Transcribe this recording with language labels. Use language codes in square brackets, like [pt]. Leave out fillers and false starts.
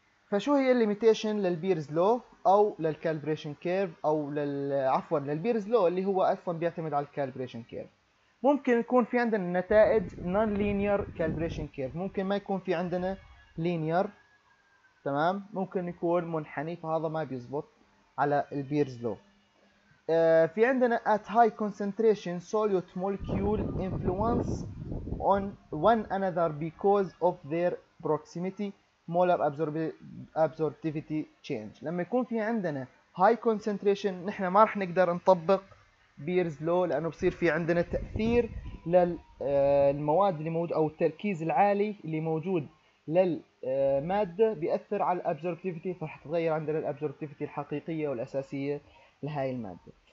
[ar] فشو هي الليميتيشن للبيرز لو او للكالبريشن كيرف او عفوا للبيرز لو اللي هو اصلا بيعتمد على الكالبريشن كيرف؟ ممكن يكون في عندنا نتائج نون لينير كالبريشن كيرف، ممكن ما يكون في عندنا لينير، تمام، ممكن يكون منحني، فهذا ما بيزبط على البيرز لو. في عندنا [en] at high concentration solute molecule influence on one another because of their proximity molar absorptivity change. [ar] لما يكون في عندنا high concentration نحن ما رح نقدر نطبق بيرز لو لأنه بصير في عندنا تأثير للمواد اللي موجود أو التركيز العالي اللي موجود للمادة بيأثر على absorptivity، فرح تتغير عندنا absorptivity الحقيقية والأساسية لهاي المادة.